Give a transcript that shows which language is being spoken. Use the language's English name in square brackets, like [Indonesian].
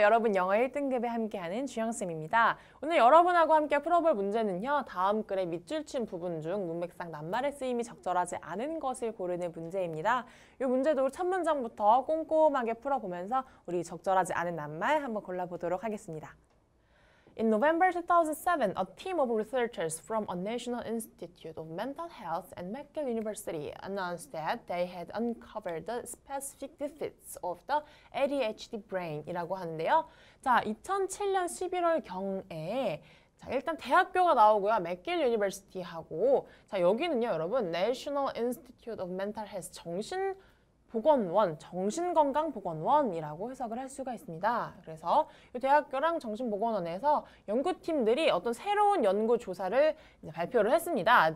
[Korean] 여러분 영어 1등급에 함께하는 주영쌤입니다. 오늘 여러분하고 함께 풀어볼 문제는요. 다음 글의 밑줄 친 부분 중 문맥상 낱말의 쓰임이 적절하지 않은 것을 고르는 문제입니다. 이 문제도 첫 문장부터 꼼꼼하게 풀어보면서 우리 적절하지 않은 낱말 한번 골라보도록 하겠습니다. [English] In November 2007, a team of researchers from a National Institute of Mental Health and McGill University announced that they had uncovered the specific defects of the ADHD brain [Korean] 이라고 하는데요. 자, 2007년 11월경에 자, 일단 대학교가 나오고요. McGill University 하고 자, 여기는요, 여러분, National Institute of Mental Health 정신보건원, 정신건강보건원이라고 해석을 할 수가 있습니다. 그래서 이 대학교랑 정신보건원에서 연구팀들이 어떤 새로운 연구조사를 이제 발표를 했습니다.